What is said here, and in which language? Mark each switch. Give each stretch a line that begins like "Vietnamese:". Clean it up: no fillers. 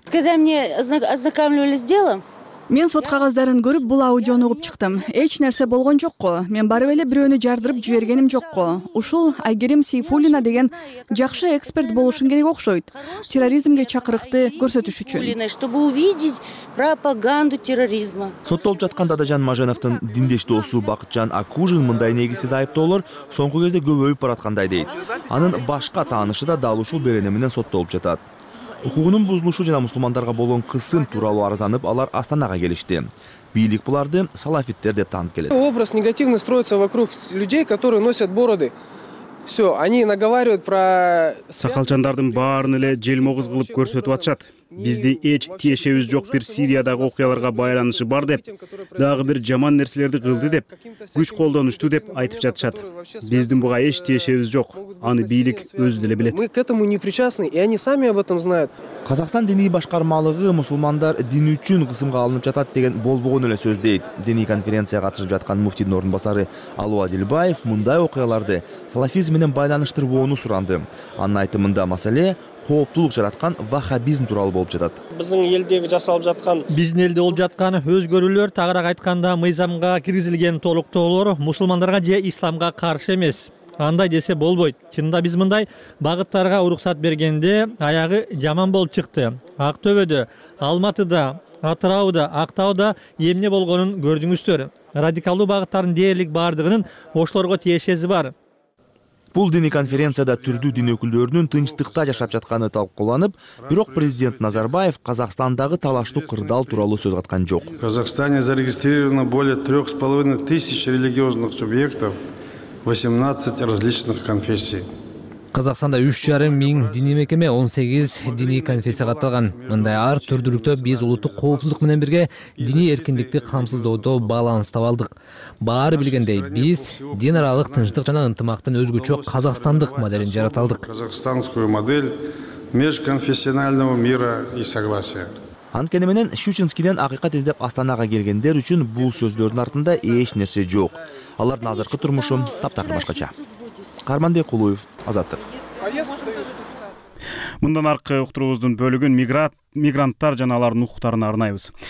Russian: Когда мне ознакомливали с делом,
Kyrgyz: мен сот кагаздарын көрүп, бул аудиону угуп чыктым. Эч нерсе болгон жокко. Мен барып эле бирөөнү жардырып жибергеним жокко. Ушул Айгерим Сейфуллина деген жакшы эксперт болушун керек окшойт. Терроризмге чакырыкты көрсөтүш үчүн.
Russian: Чтобы увидеть пропаганду терроризма.
Kyrgyz: Соттолуп жаткан Дадажан Мажановтун диндеш досу Бакытжан Акужин мындай негизсиз айыптоолор соңку кезде көбөйүп бараткандай дейт. Анын башка таанышы да дал ушул берене менен соттолуп жатат. Укугунун бузулушу жана мусулмандарга болгон кысым тууралуу арызданып, алар Астанага келишти. Бийлик буларды салафиттер деп таанып келет.
Russian: Образ негативно строится вокруг людей, которые носят бороды. Все, они наговаривают про
Kyrgyz: сакалчандардын баарын эле желмогуз кылып көрсөтүп атышат. Бизди эч тиешебиз жок бир Сириядагы окуяларга байланышы бар деп, дагы бир жаман нерселерди кылды деп, күч колдонушту деп айтып жатышат. Биздин буга эч тиешебиз жок. Аны бийлик өзү деле билет.
Russian: Мы к этому не причастны, и они сами об этом знают.
Kyrgyz: Казакстан диний башкармалыгы мусулмандар дин үчүн кысымга алынып жатат деген болбогон эле сөз дейт. Диний конференцияга катышып жаткан муфтинин орун басары Алуа Дилбаев мындай окуяларды салафизм менен байланыштырбоону суранды. Анын айтымында маселе кооптуулук жараткан вахабизм тууралуу болуп жатат. Биздин элдеги жасалып жаткан өзгөрүүлөр, тагыраак айтканда мыйзамга киргизилген толуктоолор мусулмандарга же исламга каршы эмес. Андай десе болбойт. Чынында биз мындай багыттарга уруксат бергенде аягы жаман болуп чыкты. Актөбөдө, Алматыда, Атырауда, Актауда эмне болгонун көрдүңүздөр. Радикалдуу багыттардын дээрлик бардыгынын ошолорго тиешеси бар. Бул диний конференцияда түрдүү дин өкүлдөрүнүн тынчтыкта жашап жатканы талкууланып, бирок президент Назарбаев Казакстандагы талаштуу кырдаал тууралуу сөз каткан жок.
Russian: В Казахстане зарегистрировано более 3500 религиозных субъектов 18 различных конфессий.
Kyrgyz: Казакстанда 3500 диний мекеме, 18 диний конфессия катталган. Мындай ар түрдүүлүктө биз улуттук коопсуздук менен бирге диний эркиндикти камсыздоодо баланстап алдык. Баары билгендей, биз дин аралык тынчтык жана ынтымактын өзгөчө казакстандык моделин жараталдык.
Russian: Казахстанскую модель межконфессионального мира и согласия.
Kyrgyz: Анткени менен Щучинскиден акыйкат издеп Астанага келгендер үчүн бул сөздөрдүн артында эч нерсе жок. Алардын азыркы турмушу таптакыр башкача. Карманбек Кулуев, Азаттык. Мындан аркы уктуруубуздун бөлүгүн мигранттар жана алардын укуктарына арнайбыз.